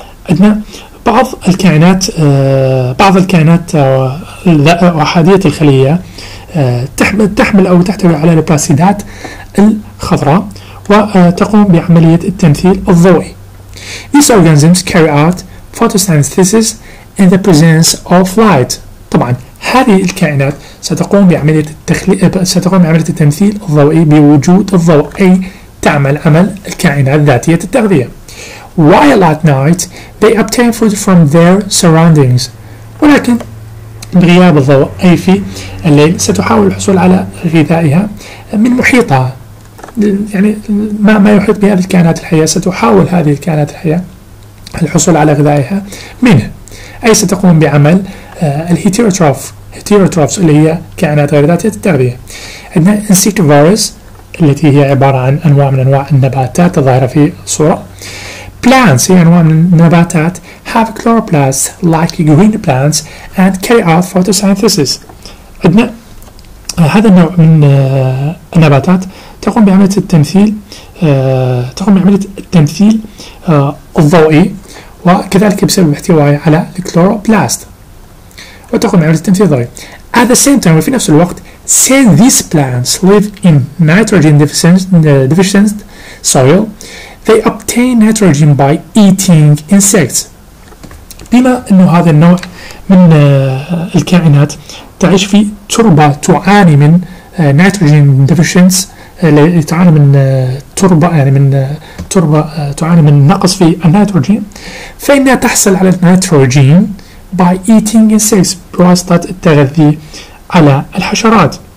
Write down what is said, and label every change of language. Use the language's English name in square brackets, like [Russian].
[Arabic] عندنا بعض الكائنات أحادية الخلية تحمل أو تحتوي على البلاسيدات الخضراء وتقوم بعملية التمثيل الضوئي. [English] These organisms carry out photosynthesis in the presence of light. [Arabic] طبعا هذه الكائنات ستقوم بعملية التمثيل الضوئي بوجود الضوء، أي تعمل عمل الكائنات ذاتية التغذية. [English] While at night they obtain food from their surroundings. [Arabic] ولكن بغياب الضوء أي في الليل ستحاول الحصول على غذائها من محيطها، يعني ما يحيط بهذه الكائنات الحية، ستحاول هذه الكائنات الحية الحصول على غذائها منه، أي ستقوم بعمل الهيتيروتروف اللي هي كائنات غير ذاتية التغذية. عندنا انسيتوفيروس التي هي عبارة عن أنواع من أنواع النباتات الظاهرة في الصورة. [English] Plants, [Arabic] هي أنواع من النباتات, [English] have chloroplasts like green plants and carry out photosynthesis. [Arabic] عندنا هذا النوع من النباتات تقوم بعملية التمثيل الضوئي، وكذلك بسبب احتوائها على الكلوروبلاست وتقوم بعملية التمثيل الضوئي. [English] At the same time, [Arabic] وفي نفس الوقت, [English] since these plants live in nitrogen deficient soil, they obtain nitrogen by eating insects. [Arabic] بما أن هذا النوع من الكائنات تعيش في تربة تعاني من [English] nitrogen deficiency، [Arabic] اللي تعاني من تربة، يعني من تربة تعاني من نقص في النيتروجين، فإنها تحصل على النيتروجين [English] by eating insects [Arabic] بواسطة التغذي على الحشرات.